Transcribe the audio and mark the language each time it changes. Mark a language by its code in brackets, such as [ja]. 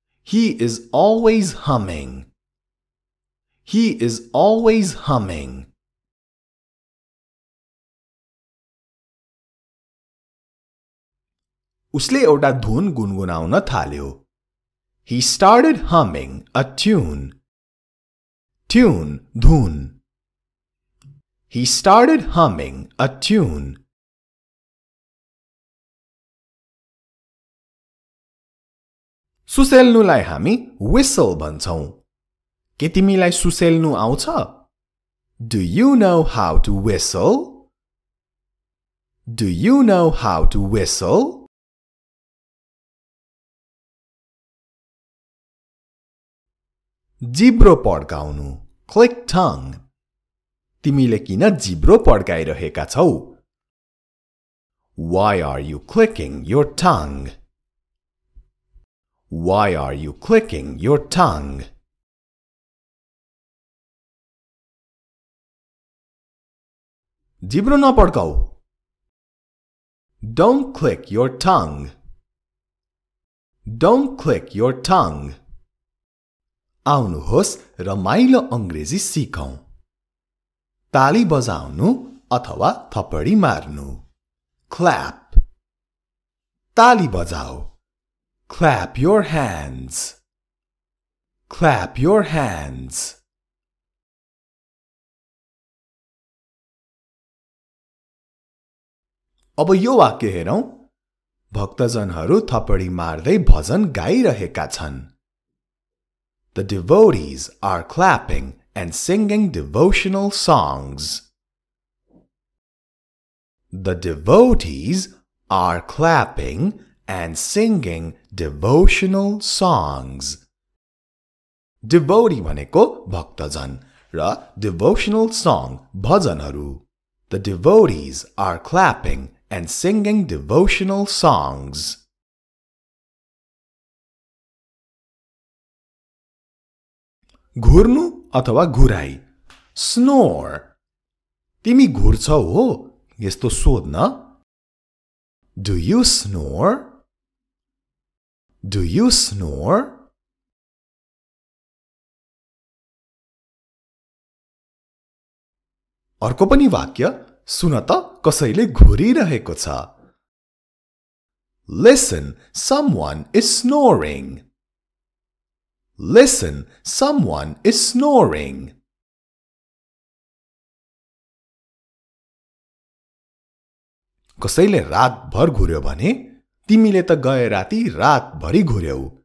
[en] He is always humming. He is always humming. [ne] उसले एउटा धुन गुनगुनाउन थाल्यो। [en] He started humming a tune. Tune, धुन। He started humming a tune. [ne] सुसेल्नुलाई हामी whistle भन्छौं। के तिमीलाई सुसेल्नु आउँछ? [en] Do you know how to whistle? Do you know how to whistle? [ne] जिब्रो पड्काउनु, click tongue. तिमीले किन जिब्रो पड्काइरहेका छौ? [en] Why are you clicking your tongue? Why are you clicking your tongue? [ne] जिब्रो नपड्काउ. [en] Don't click your tongue. Don't click your tongue. [ne] आउनुहोस् रमाइलो अंग्रेजी सिकौं. ताली बजाउनु अथवा थपडी मार्नु. [en] Clap. [ne] ताली बजाऊ. [en] Clap your hands. Clap your hands. [ne] अब यो वाक्य हेरौं. भक्तजनहरू थपडी मार्दै भजन गाइरहेका छन्. [en] The devotees are clapping and singing devotional songs. The devotees are clapping and singing devotional songs. [ne] Devotee भनेको भक्तजन र devotional song भजनहरु. [en] The devotees are clapping and singing devotional songs. [ne] घुर्नु अथवा घुराई, snore. तिमी घुर्छौ हो? यस्तो सोध्न. [en] Do you snore? Do you snore? [ne] अर्को पनि वाक्य, सुन त कसैले घुरिरहेको छ. [en] Listen, someone is snoring. Listen, someone is snoring. [ne] कसैले रात भर घुर्यो भने, तिमीले त गए राती रात भरि घुर्यौ.